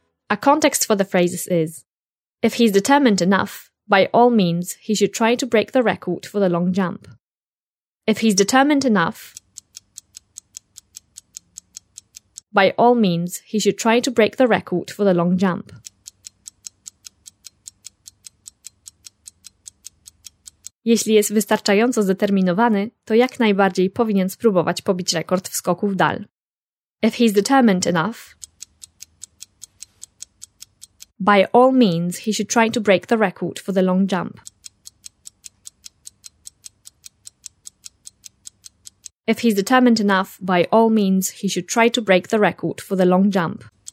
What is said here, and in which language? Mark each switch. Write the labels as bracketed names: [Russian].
[English] A context for the phrases is, if he's determined enough, by all means, he should try to break the record for the long jump. If he's determined enough, by all means, he should try to break the record for the long jump. [Polish] Jeśli jest wystarczająco zdeterminowany, to jak najbardziej powinien spróbować pobić rekord w skoku w dal. [English] If he's determined enough, by all means, he should try to break the record for the long jump. If he's determined enough, by all means, he should try to break the record for the long jump.